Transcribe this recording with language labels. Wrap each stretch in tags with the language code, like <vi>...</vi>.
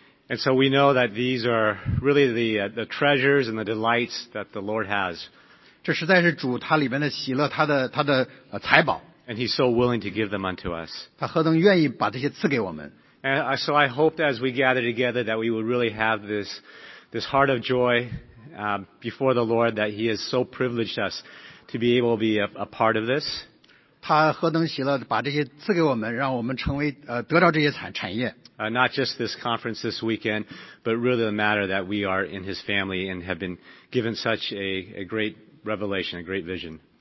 <en>And so we know that these are really the treasures and the delights that the Lord has.</en> <zh>这实在是主他里面的喜乐，他的财宝。</zh> <en>And He's so willing to give them unto us.</en> <zh>他何等愿意把这些赐给我们。</zh> <en>And so I hope that as we gather together that we will really have this heart of joy before the Lord that He has so privileged us to be able to be a part of this.</en> <zh>他何等喜乐把这些赐给我们，让我们成为得到这些产业。</zh> <en>Not just this conference this weekend, but really the matter that we are in His family and have been given such a great revelation, a great vision.</en>